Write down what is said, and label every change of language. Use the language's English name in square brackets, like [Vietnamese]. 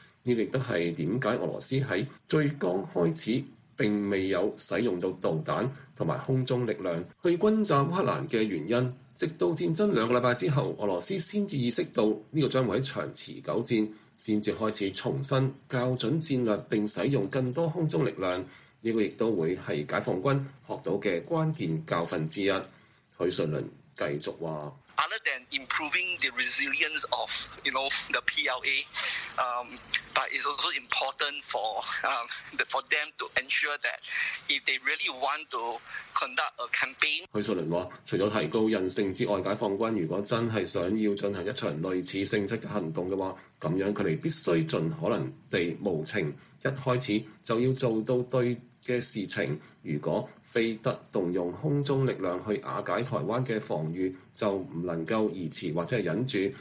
[Cantonese] 這亦都是為什麼俄羅斯在最剛開始並未有使用到導彈和空中力量去轟炸烏克蘭的原因。直到戰爭兩個禮拜之後，俄羅斯才意識到這個將會是長持久戰，才開始重新校准戰略並使用更多空中力量，這個亦都會是解放軍學到的關鍵教訓之一。許順麟繼續說 [English] Other than improving the resilience of, you know, the PLA, but it's also important for them to ensure that if they really want to conduct a campaign. [Cantonese] 許淑麟說除了提高韌性之外，解放軍如果真的想要進行一場類似性質的行動的話，這樣他們必須盡可能地無情，一開始就要做到對的事情，如果非得動用空中力量去瓦解台灣的防禦，就不能夠延遲或者忍住，